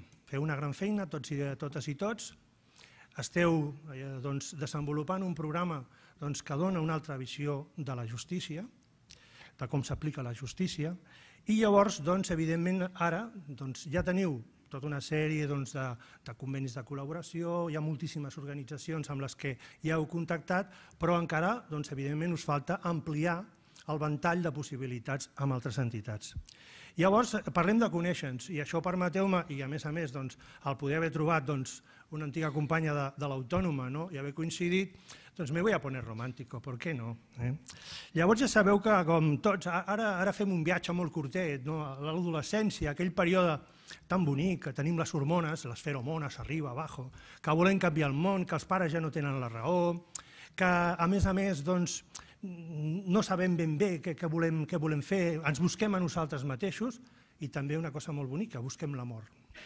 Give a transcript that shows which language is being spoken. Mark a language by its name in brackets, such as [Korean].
[Catalan] Feu una gran feina, totes i tots. Esteu doncs, desenvolupant un programa doncs, que dona una altra visió de la justícia, de com s'aplica la justícia, i llavors, doncs, evidentment, ara doncs, ja teniu tota una sèrie doncs, de convenis de col·laboració, hi ha moltíssimes organitzacions amb les que ja heu contactat, però encara, doncs, evidentment, us falta ampliar el ventall de possibilitats amb altres entitats. Llavors, parlem de coneixements, i això permeteu-me, i a més, doncs, el poder haver trobat doncs, una antiga companya de l'Autònoma no? i haver coincidit, doncs [Spanish] me voy a poner romántico, ¿por qué no? [Catalan] Llavors ja sabeu que, com tots, ara fem un viatge molt curtet, no? L'adolescència, aquell període tan bonic que tenim les hormones, les feromones, arriba, [Spanish] abajo, [Catalan] que volem canviar el món, que els pares ja no tenen la raó, que a més, doncs, no sabem ben bé què volem fer, ens busquem a nosaltres mateixos, i també una cosa molt bonica, busquem l'amor.